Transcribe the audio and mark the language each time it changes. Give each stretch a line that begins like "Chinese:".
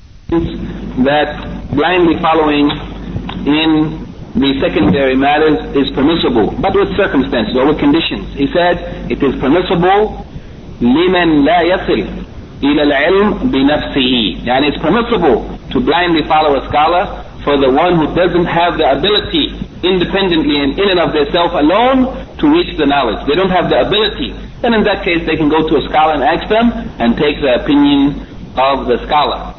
English: That blindly following in the secondary matters is permissible, but with circumstances or with conditions. He said it is permissible
Arabic: لمن لا يصل إلى العلم بنفسه.
English: And it's permissible to blindly follow a scholar for the one who doesn't have the ability independently and in and of themselves alone to reach the knowledge. They don't have the ability. Then in that case they can go to a scholar and ask them and take the opinion of the scholar.